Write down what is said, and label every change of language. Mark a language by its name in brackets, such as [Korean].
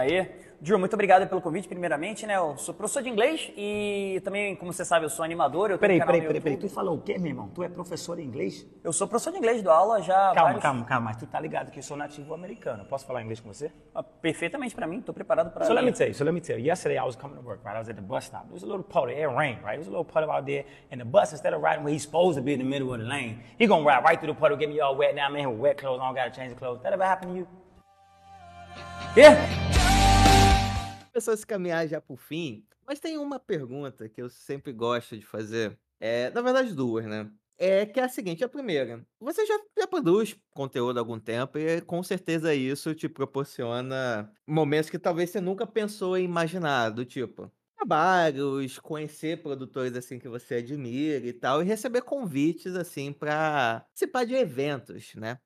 [Portuguese] Aí, Drew, muito obrigado pelo convite, primeiramente, né? Eu sou professor de inglês e também, como você sabe, eu sou animador. Eu peraí, peraí, peraí, peraí. Tu falou o quê, meu irmão? Tu é professor de inglês? Eu sou professor de inglês, dou aula já. Calma, vários... calma. Mas tu tá ligado que eu sou nativo americano. Posso falar inglês com você? Perfeitamente pra mim. Tô preparado pra. [English] So let me tell you. Yesterday I was coming to work, right? I was at the bus stop. There was a little puddle. It rained, right? There was a little puddle out there. And the bus, instead of riding where he's supposed to be in the middle of the lane, he gonna ride right through the puddle, get me all wet. Now I'm in here with wet clothes. I don't gotta change the clothes. That ever happened to you? Yeah. [Portuguese] Começou a se caminhar já pro fim, mas tem uma pergunta que eu sempre gosto de fazer, na verdade duas, né? Que é a seguinte, a primeira, você já produz conteúdo há algum tempo e com certeza isso te proporciona momentos que talvez você nunca pensou em imaginar, do tipo, trabalhos, conhecer produtores assim que você admira e tal, e receber convites assim pra participar de eventos, né?